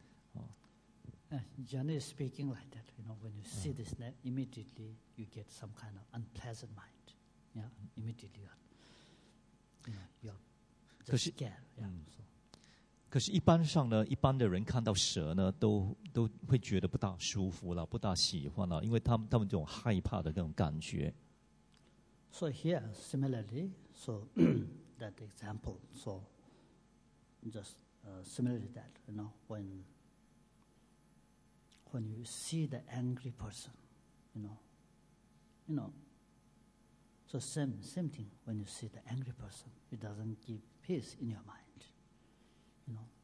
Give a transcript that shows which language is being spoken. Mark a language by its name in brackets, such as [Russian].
[Chinese] 可能有些人家里是养蛇为宠物，可能他们就很喜欢蛇了哈。他们看到蛇，他们是很开心的。 [English] Generally speaking, like that, you know, when you see the snake, immediately you get some kind of unpleasant mind. Yeah, immediately you're scared. Yeah. So. [Chinese] 可是，一般上呢，一般的人看到蛇呢，都会觉得不大舒服了，不大喜欢了，因为他们这种害怕的那种感觉。 [English] So here, similarly, so that example, so just similarly that, you know, when you see the angry person, you know, so same thing, when you see the angry person, it doesn't give peace in your mind, you know.